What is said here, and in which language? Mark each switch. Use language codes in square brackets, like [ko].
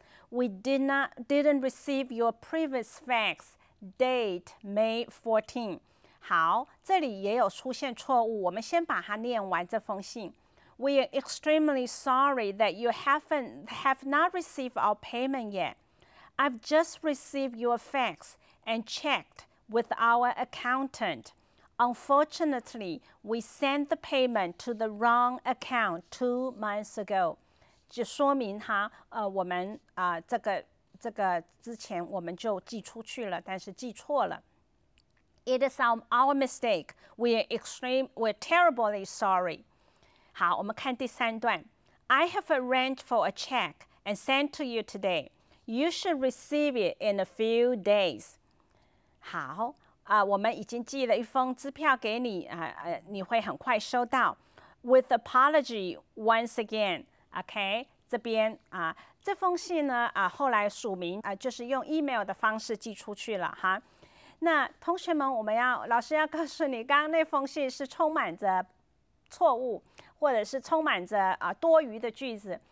[en] We didn't receive your previous fax date May 14. [zh] 好，这里也有出现错误，我们先把它念完这封信。 [en] We are extremely sorry that you have not received our payment yet. I've just received your fax and checked with our accountant. Unfortunately, we sent the payment to the wrong account 2 months ago. [zh] 就说明哈，我们这个之前我们就寄出去了，但是寄错了。 [en] It is our mistake. We're terribly sorry. [zh] 好，我们看第三段。 [en] I have arranged for a check and sent to you today. You should receive it in a few days. [zh] 好。我们已经寄了一封支票给你你会很快收到。 [en] With apology once again, OK? [zh] 这边这封信呢后来署名就是用 email 的方式寄出去了哈。那同学们，老师要告诉你，刚刚那封信是充满着错误，或者是充满着多余的句子。